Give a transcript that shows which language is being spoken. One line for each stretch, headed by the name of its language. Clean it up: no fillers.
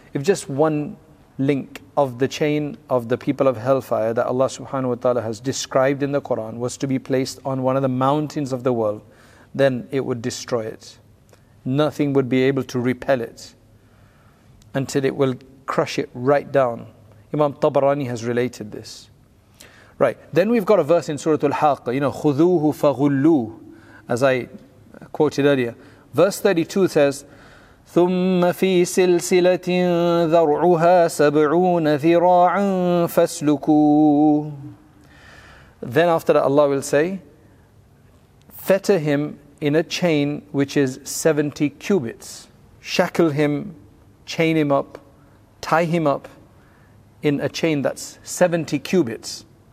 English: If just one link of the chain of the people of hellfire that Allah subhanahu wa ta'ala has described in the Quran was to be placed on one of the mountains of the world, then it would destroy it. Nothing would be able to repel it until it will crush it right down. Imam Tabarani has related this. Right, then we've got a verse in Surah Al-Haqqa, you know,
Arabic: خُذُوهُ فَغُلُّوهُ,
English: as I quoted earlier. Verse 32 says,
Arabic: ثُمَّ فِي سِلْسِلَةٍ ذَرْعُهَا سَبْعُونَ ذِرَاعًا فَاسْلُكُوهُ.
English: Then after that Allah will say, fetter him in a chain which is 70 cubits. Shackle him, chain him up, tie him up in a chain that's 70 cubits.